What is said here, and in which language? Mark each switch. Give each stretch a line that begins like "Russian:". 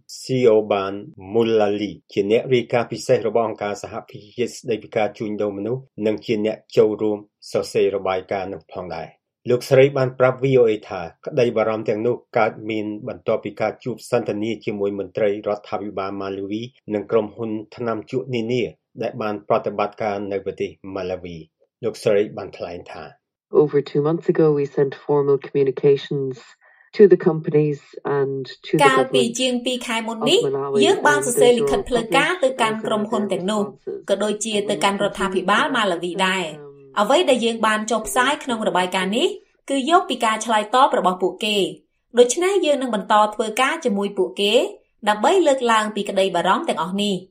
Khmer: ស៊ីអូបានមូឡាលីជាអ្នករាយការណ៍ពិសេសរបស់អង្គការសហប្រជាជាតិស្តីពីការជួញដូរមនុស្សនិងជាអ្នកចូលរួមសរសេររបាយការណ៍នោះផងដែរលោកស្រីបានប្រាប់ VOA ថាក្តីបារម្ភទាំងនោះកើតមានបន្ទាប់ពីការជួបសន្ទនាជាមួយមន្ត្រីរដ្ឋាភិបាលម៉ាឡាវីនិងក្រុមហ៊ុនថ្នាំជក់នានាដែលបានប្រតិបត្តិការនៅប្រទេសម៉ាឡាវីលោកស្រីបានថ្លែងថា
English: Over 2 months ago we sent formal communicationsto the companies and to the government
Khmer: កាលពីជាង2ខែមុននេះយើងបានសរសេរលិខិតផ្លូវការទៅកាន់ក្រុមហ៊ុនទាំងនោះក៏ដូចជាទៅកាន់រដ្ឋាភិបាលម៉ាឡាវីដែរអ្វីដែលយើងបានចុះផ្សាយក្នុងរបាយការណ៍នេះគឺយកពីការឆ្លើយតបរបស់ពួកគេដូច្នេះយើងនឹងបន្តធ្វើការជាមួយពួកគេដើម្បីលើកឡើងពីក្តីបារម្ភទាំងអស់នេះ